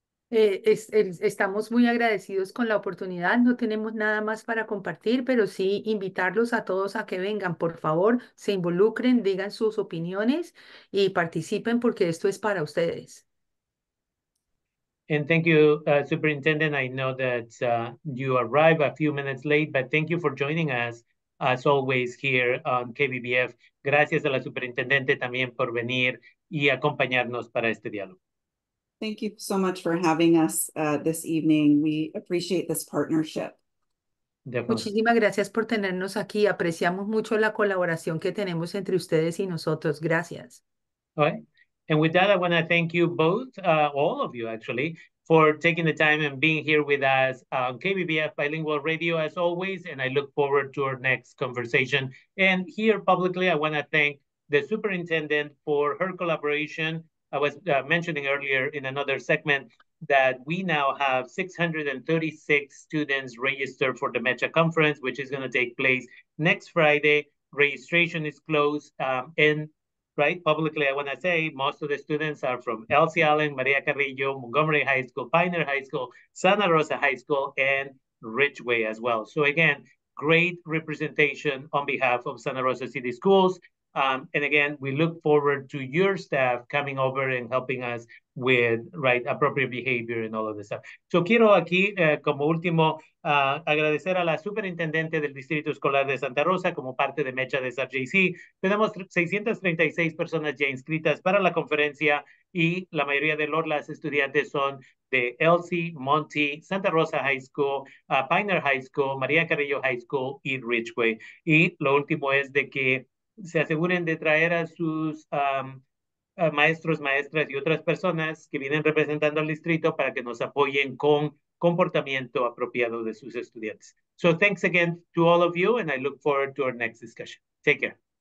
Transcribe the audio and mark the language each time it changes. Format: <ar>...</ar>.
<es>Estamos muy agradecidos con la oportunidad. No tenemos nada más para compartir, pero sí invitarlos a todos a que vengan. Por favor, se involucren, digan sus opiniones y participen porque esto es para ustedes.</es> <en>And thank you, Superintendent. I know that you arrive a few minutes late, but thank you for joining us as always here on KBBF.</en> <es>Gracias a la Superintendente también por venir y acompañarnos para este diálogo.</es> <en>Thank you so much for having us this evening. We appreciate this partnership. Definitely.</en> <es>Muchísimas gracias por tenernos aquí. Apreciamos mucho la colaboración que tenemos entre ustedes y nosotros. Gracias.</es> <en>All right. And with that, I want to thank you both, all of you actually. for taking the time and being here with us on KBBF Bilingual Radio as always. And I look forward to our next conversation. And here publicly, I want to thank the superintendent for her collaboration. I was mentioning earlier in another segment that we now have 636 students registered for the Mecha Conference, which is going to take place next Friday. Registration is closed. And right, publicly, I want to say most of the students are from Elsie Allen, Maria Carrillo, Montgomery High School, Pioneer High School, Santa Rosa High School, and Ridgeway as well. So again, great representation on behalf of Santa Rosa City Schools. And again, we look forward to your staff coming over and helping us with right appropriate behavior and all of this stuff.</en> <es>So quiero aquí, como último, agradecer a la superintendente del Distrito Escolar de Santa Rosa como parte de Mecha de SRJC. Tenemos 636 personas ya inscritas para la conferencia y la mayoría de las estudiantes son de Elsie, Monty, Santa Rosa High School, Pioneer High School, María Carrillo High School y Ridgeway. Y lo último es de que se aseguren de traer a sus maestros, maestras y otras personas que vienen representando al distrito para que nos apoyen con comportamiento apropiado de sus estudiantes.</es> <en>So thanks again to all of you, and I look forward to our next discussion. Take care.</en>